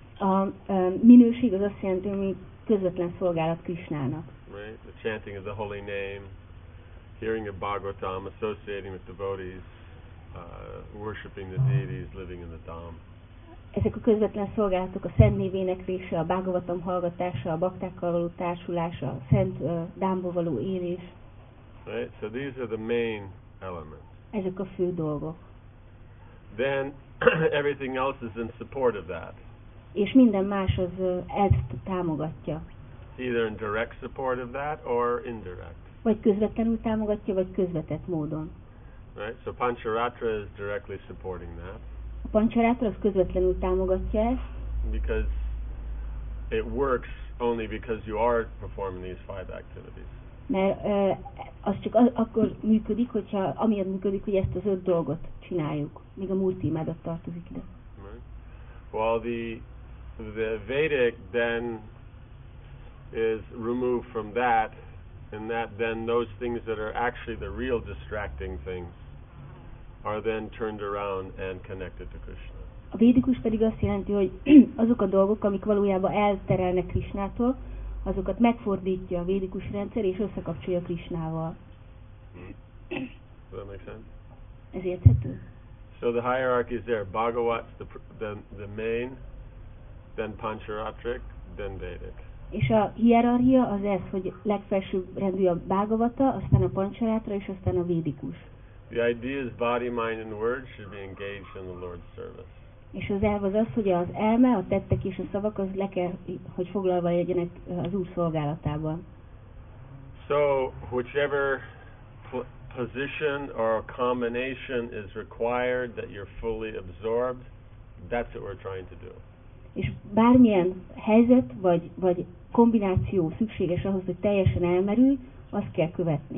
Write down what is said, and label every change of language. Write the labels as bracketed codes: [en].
[hu] A minőség az azt jelenti, ami közvetlen szolgálat Krishnának. [en] Right? The chanting of the holy name, hearing of Bhagavatam, associating with devotees, worshipping the deities, living in the Dham. [hu] Ezek a közvetlen szolgálatok, a szent név éneklése, a Bhagavatam hallgatása, a baktákkal való társulása, a szent Dhamba való élés. [en] Right? So these are the main elements. [hu] Ezek a fő dolgok. [en] Then everything else is in support of that. [hu] És minden más az ezt támogatja. [en] Either in direct support of that or indirect. [hu] Vagy közvetlenül támogatja, vagy közvetett módon. [en] Right, so Pancharatra is directly supporting that. [hu] A Pancharatra az közvetlenül támogatja ezt. [en] Because it works only because you are performing these five activities. [hu] Mert az csak akkor működik, hogyha amiatt működik, hogy ezt az öt dolgot csináljuk. Még a Murti imádat tartozik ide. [en] Right. While the Vedic then is removed from that, and that then those things that are actually the real distracting things are then turned around and connected to Krishna. [hu] A védikus pedig azt jelenti, hogy azok a dolgok, amik valójában elterelnek Krishnától, azokat megfordítja a védikus rendszer és összekapcsolja Krishnával. [en] Does that make sense? [hu] Ez érthető? [en] So the hierarchy is there. Bhagavat's the main, then Pancharatrik, then Vedic. [hu] És a hierarchia az ez, hogy legfelsőbb rendű a Bhagavata, aztán a Pancharatra és aztán a védikus. [en] The idea is body, mind and words should be engaged in the Lord's service. [hu] És az elv az az, hogy az elme, a tettek és a szavak az le kell, hogy foglalva legyenek az Úr szolgálatában. [en] So, whichever position or combination is required that you're fully absorbed, that's what we're trying to do. [hu] És bármilyen helyzet vagy kombináció szükséges ahhoz, hogy teljesen elmerülj, azt kell követni.